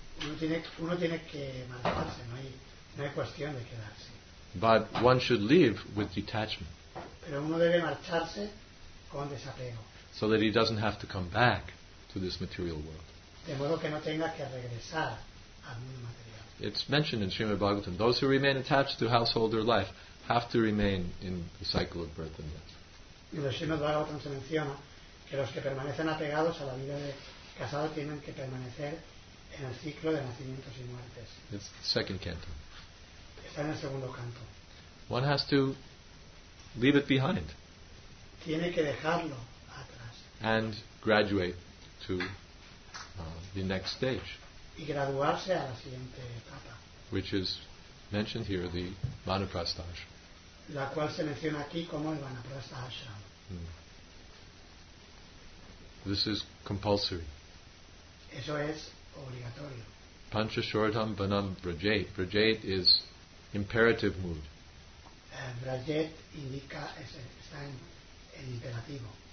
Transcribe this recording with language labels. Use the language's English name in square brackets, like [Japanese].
[Spanish] Uno tiene que marcharse, no hay cuestión de quedarse. [English] But one should leave with detachment. [Spanish] Pero uno debe marcharse con desapego. [English] So that he doesn't have to come back to this material world. [Spanish] De modo que no tenga que regresar al mundo material. [English] It's mentioned in Srimad Bhagavatam, those who remain attached to householder life have to remain in the cycle of birth and death. [Spanish] En el Srimad Bhagavatam se menciona que los que permanecen apegados a la vida de casado tienen que permanecer en el ciclo de nacimientos y muertes. [English] It's the second canto. [Spanish] Está en el segundo canto. [English] One has to leave it behind. [Spanish] Tiene que dejarlo atrás. [English] And graduate to the next stage. [Spanish] Y graduarse a la siguiente etapa. [English] Which is mentioned here, the Vanaprastha Ashram. [Spanish] La cual se menciona aquí como el Vanaprastha Ashram. Mm. [English] This is compulsory. [Spanish] Eso es obligatorio. [Sanskrit] Panchashortam banam brajet. [English] Brajet is imperative mood. [Spanish] Brajet indica está en el imperativo.